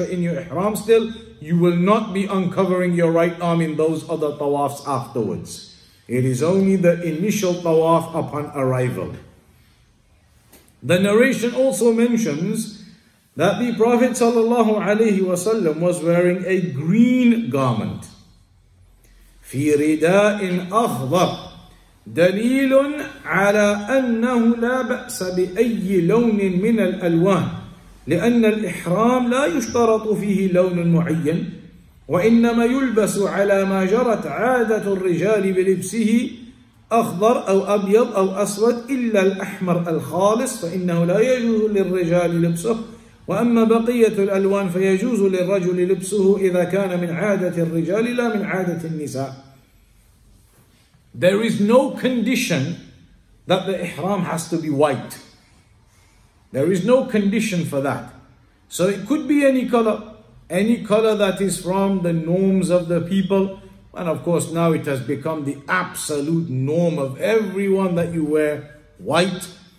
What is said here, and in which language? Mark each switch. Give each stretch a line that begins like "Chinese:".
English: in your ihram still, you will not be uncovering your right arm in those other tawafs afterwards. It is only the initial tawaf upon arrival. The narration also mentions that the Prophet sallallahu alayhi wa sallam was wearing a green garment.
Arabic: في رداء أخضر دليل على أنه لا بأس بأي لون من الألوان لأن الإحرام لا يشترط فيه لون معين وإنما يلبس على ما جرت عادة الرجال بلبسه أخضر أو أبيض أو أسود إلا الأحمر الخالص فإنه لا يجوز للرجال لبسه، وأما بقية الألوان فيجوز للرجل لبسه إذا كان من عادة الرجال لا من عادة النساء.
English: There is no condition that the ihram has to be white. There is no condition for that. So it could be any color that is from the norms of the people. And of course, now it has become the absolute norm of everyone that you wear white.